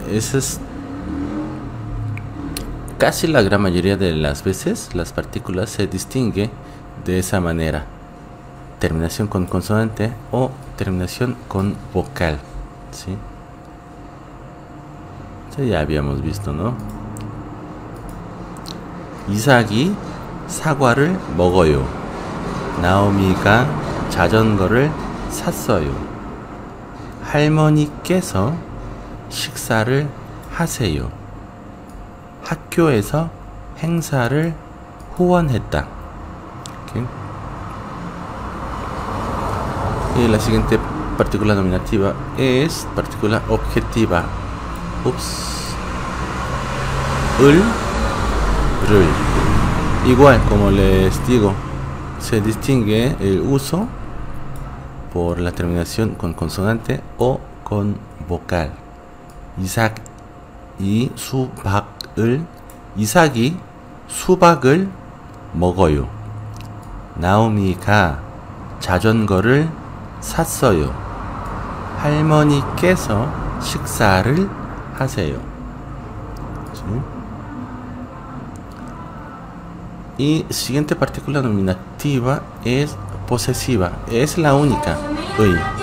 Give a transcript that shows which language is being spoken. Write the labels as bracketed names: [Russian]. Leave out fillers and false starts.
[Spanish] Esas casi la gran mayoría de las veces las partículas se distingue de esa manera: terminación con consonante o terminación con vocal, ¿sí? Eso ya habíamos visto, ¿no? [Korean] Isaac이 사과를 먹어요. Naomi가 자전거를 샀어요. 할머니께서 식사를 하세요. 학교에서 행사를 후원했다. [English] Okay. [Spanish] Y la siguiente partícula nominativa es partícula objetiva. Ups. 을 Igual, como les digo, se distingue el uso por la terminación con consonante o con vocal. [Korean] Isaac y 수박을 Isaac이 수박을 먹어요. Naomi가 자전거를 샀어요. 할머니께서 식사를 하세요. [Spanish] Y siguiente partícula nominativa es posesiva. Es la única. Uy.